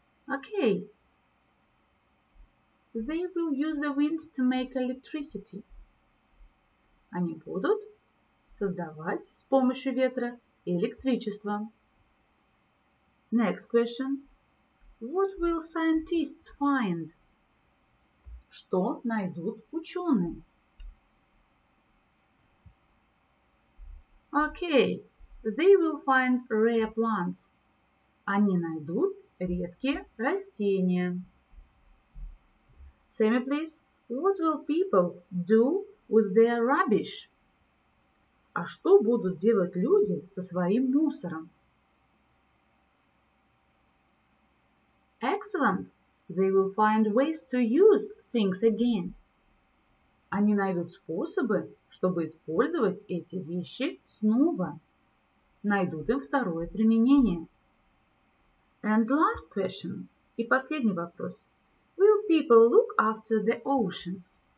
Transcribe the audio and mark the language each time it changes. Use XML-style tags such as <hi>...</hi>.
<en>Okay, they will use the wind to make electricity.</en> <ru>Они будут создавать с помощью ветра электричество.</ru> <en>Next question. What will scientists find?</en> <ru>Что найдут ученые?</ru> <en>Okay, they will find rare plants.</en> <ru>Они найдут редкие растения.</ru> <en>Sammy, please. What will people do with their rubbish?</en> <ru>А что будут делать люди со своим мусором?</ru> <en>Excellent. They will find ways to use things again.</en> <ru>Они найдут способы, чтобы использовать эти вещи снова. Найдут им второе применение.</ru> <en>And last question.</en> <ru>И последний вопрос.</ru> <en>Will people look after the oceans?</en>